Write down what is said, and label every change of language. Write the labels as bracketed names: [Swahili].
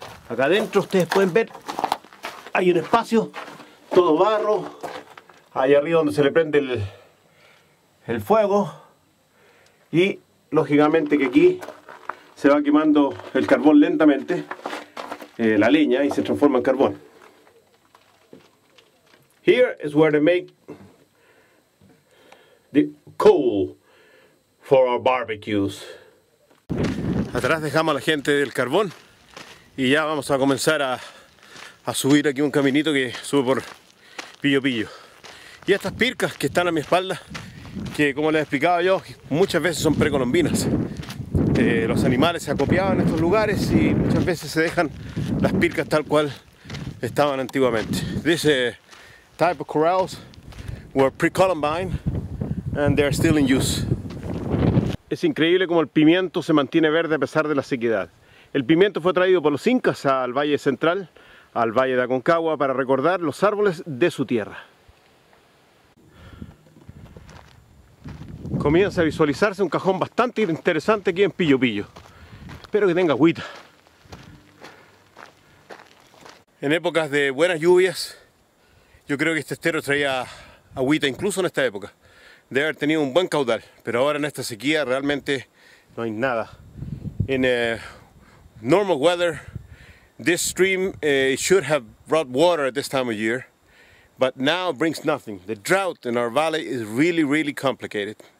[Spanish] Acá adentro ustedes pueden ver, hay un espacio, todo barro. Allá arriba donde se le prende el fuego. Y lógicamente que aquí se va quemando el carbón lentamente, la leña, y se transforma en carbón. [English] Here is where they make the coal for our barbecues. [Spanish] Atrás dejamos a la gente del carbón y ya vamos a comenzar a subir aquí un caminito que sube por Pillo Pillo. Y estas pircas que están a mi espalda, que como les explicaba yo, muchas veces son precolombinas. Los animales se acopiaban en estos lugares y muchas veces se dejan las pircas tal cual estaban antiguamente. [English] This type of corrals were pre-columbine and they are still in use. [Spanish] Es increíble cómo el pimiento se mantiene verde a pesar de la sequedad. El pimiento fue traído por los incas al Valle Central, al Valle de Aconcagua, para recordar los árboles de su tierra. Comienza a visualizarse un cajón bastante interesante aquí en Pillo Pillo. Espero que tenga agüita. En épocas de buenas lluvias, yo creo que este estero traía agüita incluso en esta época. Debe haber tenido un buen caudal, pero ahora en esta sequía realmente no hay nada. [English] En normal weather, this stream should have brought water at this time of year, but now it brings nothing. The drought in our valley is really, really complicated.